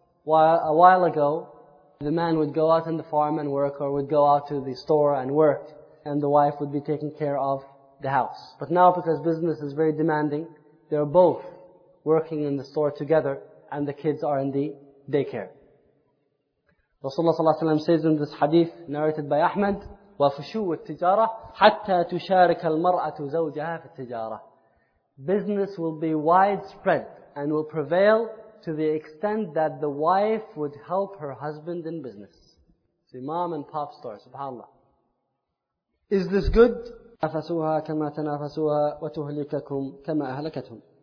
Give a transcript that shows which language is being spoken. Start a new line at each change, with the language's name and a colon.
English: While a while ago, the man would go out in the farm and work, or would go out to the store and work, and the wife would be taking care of the house. But now, because business is very demanding, they're both working in the store together, and the kids are in the daycare. Rasulullah ﷺ says in this hadith, narrated by Ahmad,
Arabic: وَفُشُوُ التِّجَارَةِ حَتَّى تُشَارِكَ الْمَرْأَةُ زَوْجَهَا فِي التِّجَارَةِ.
English: Business will be widespread and will prevail to the extent that the wife would help her husband in business. See, mom and pop store, subhanAllah. Is this good?
Arabic: تَنَافَسُوهَا كَمَا تَنَافَسُوهَا وَتُهْلِكَكُمْ كَمَا أَهْلَكَتْهُمْ.